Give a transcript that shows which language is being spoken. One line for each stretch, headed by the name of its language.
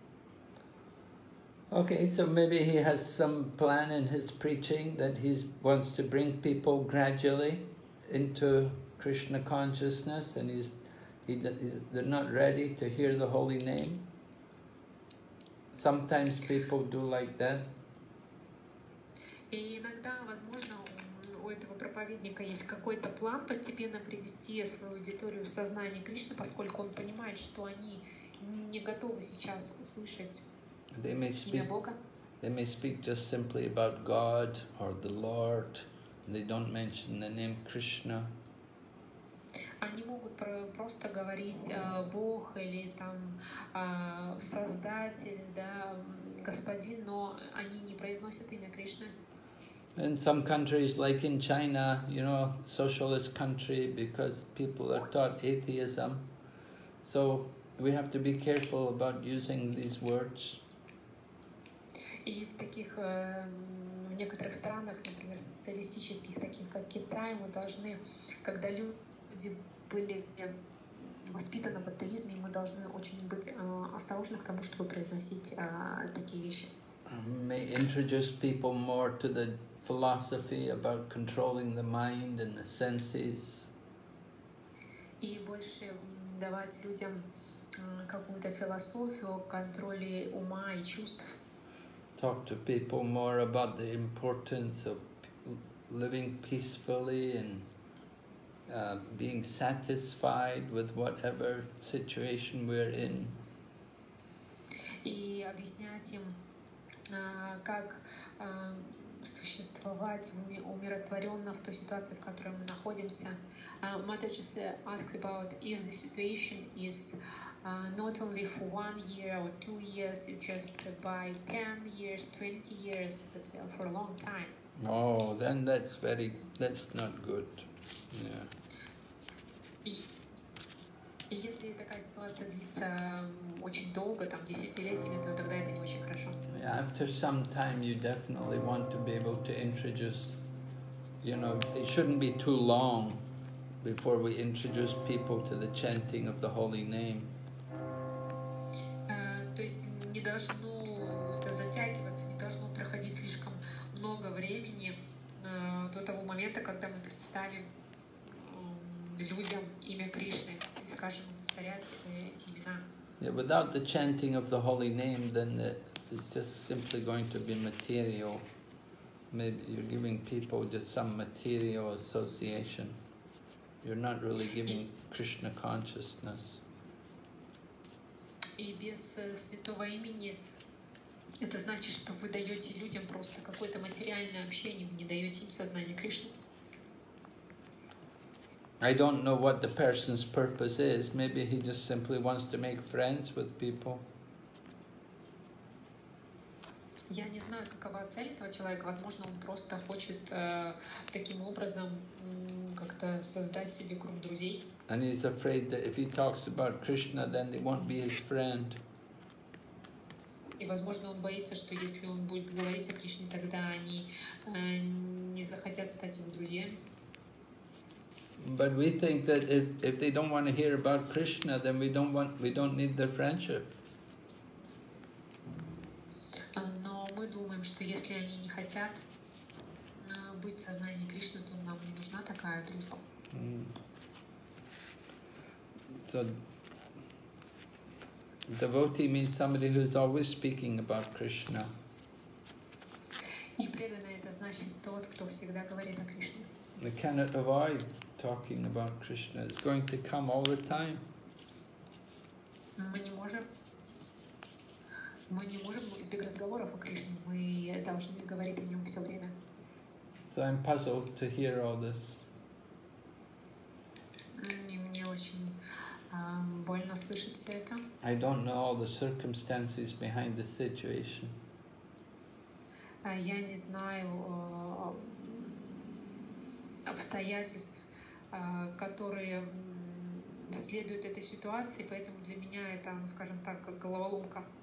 English: Mm-hmm. Okay, so maybe he has some plan in his preaching that he wants to bring people gradually into Krishna consciousness, and they're not ready to hear the holy name. Sometimes people do like that.
Russian: И иногда, возможно, у этого проповедника есть какой-то план постепенно привести свою аудиторию в сознание Кришны, поскольку он понимает, что они не готовы сейчас услышать имя Бога.
English: They may speak just simply about God or the Lord, and they don't mention the name Krishna.
Russian: Они могут просто говорить Бог или там Создатель, да, Господин, но они не произносят имя Кришны.
English: In some countries, like in China, you know, socialist country, because people are taught atheism, so we have to be careful about using these words.
Russian: И в таких в некоторых странах, например, социалистических, таких как Китай, мы должны, когда люди были воспитаны в атеизме, мы должны очень быть осторожны к тому, чтобы произносить такие вещи.
English: May introduce people more to the philosophy about controlling the mind and the senses.
Russian: И больше давать людям какую-то философию о контроле ума и чувств.
English: Talk to people more about the importance of living peacefully and being satisfied with whatever situation we're in.
Russian: И объяснять им, как существовать умиротворенно в той ситуации, в которой мы находимся.
English: Mother just asked about if the situation is not only for 1 year or 2 years, just by 10 years, 20 years, but for a long time. Oh, then that's not good.
Russian: И если такая ситуация длится очень долго, там десятилетиями, то тогда это не очень хорошо.
English: After some time, you definitely want to be able to introduce, you know, it shouldn't be too long before we introduce people to the chanting of the holy name.
Russian: То есть не должно это затягиваться, не должно проходить слишком много времени до того момента, когда мы представим людям имя Кришны и скажем повторять эти имена.
English: Yeah, without the chanting of the holy name, then it's just simply going to be material. Maybe you're giving people just some material association. You're not really giving Krishna consciousness.
Russian: И без святого имени это значит, что вы даете людям просто какое-то материальное общение, вы не даете им сознание Кришны.
English: I don't know what the person's purpose is. Maybe he just simply wants to make friends with people.
Russian: Я не знаю, какова цель этого человека. Возможно, он просто хочет таким образом как-то создать себе круг друзей.
English: And he's afraid that if he talks about Krishna, then they won't be his friend.
Russian: И, возможно, он боится, что если он будет говорить о Кришне, тогда они не захотят стать его друзьями.
English: But we think that if they don't want to hear about Krishna, then we don't need their friendship.
Russian: Но мы думаем, что если они не хотят быть в сознании Кришны, то нам не нужна такая дружба.
English: So devotee means somebody who's always speaking about Krishna.
Russian: И преданный — это значит тот, кто всегда говорит о Кришне.
English: They cannot avoid talking about Krishna. It's going to come all the time.
Russian: Мы не можем избегать разговоров о Кришне. Мы должны говорить о нем все время.
English: So I'm puzzled to hear all this.
Russian: Мне очень больно слышать все это.
English: I don't know all the circumstances behind the situation.
Russian: Я не знаю обстоятельств, которые следуют этой ситуации, поэтому для меня это, ну, скажем так, головоломка.